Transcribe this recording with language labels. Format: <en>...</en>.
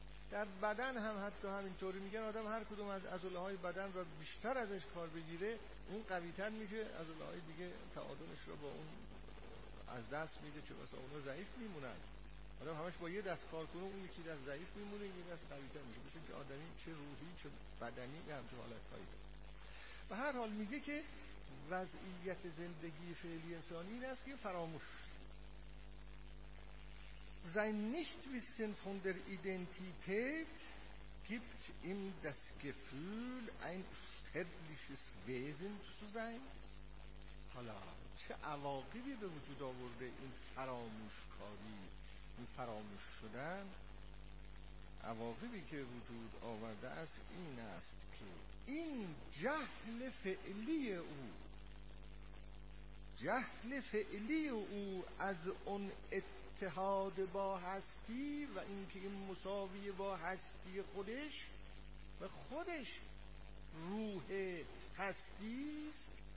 <fa>در بدن هم حتی همینطوری، میگن آدم هر کدوم از عضلات بدن را بیشتر ازش کار بگیره اون قوی تر میشه، عضلات دیگه تعادلش رو با اون از دست میده، چه بسا اونا ضعیف میمونن. آدم همش با یه دست کار کنه اون یکی دست ضعیف میمونه، یه دست قوی تر میشه. مثل که آدمی چه روحی چه بدنی یه همچه حالت هایی داره. به هر حال میگه که وضعیت زندگی فعلی انسانی این است که فراموش</fa> <de>sein nicht wissen von der Identität gibt ihm das Gefühl ein sterbliches Wesen zu sein.</de> <fa>حالا چه عواقبی به وجود آورده این فراموشکاری، این فراموش شدن؟ عواقبی که وجود آورده است این است که این جهل فعلی او، جهل فعلی او از اون اتحاد با هستی و اینکه این مساوی با هستی خودش و خودش روح هستی است،</fa>